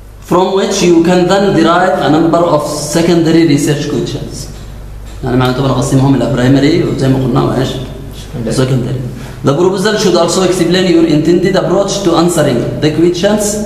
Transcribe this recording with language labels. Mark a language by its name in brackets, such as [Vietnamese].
[English] From which you can then derive a number of secondary research questions. [Arabic] يعني معناته بنقسمهم الى primary وزي ما قلنا وايش؟ Secondary. [English] The proposal should also explain your intended approach to answering the questions.